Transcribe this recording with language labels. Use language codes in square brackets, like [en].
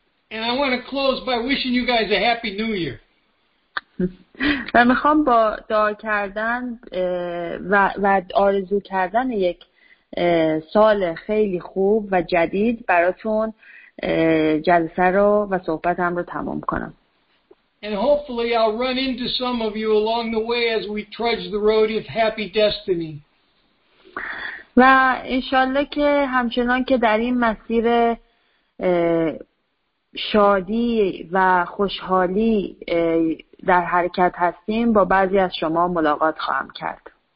[en] And I want to close by wishing you guys a happy new year. [fa] و میخوام با دعا کردن و آرزو کردن یک سال خیلی خوب و جدید براتون جلسه رو و صحبتم رو تمام کنم. [en] And hopefully I'll run into some of you along the way as we trudge the road of happy destiny. [fa] و انشالله که همچنان که در این مسیر شادی و خوشحالی در حرکت هستیم با بعضی از شما ملاقات خواهم کرد.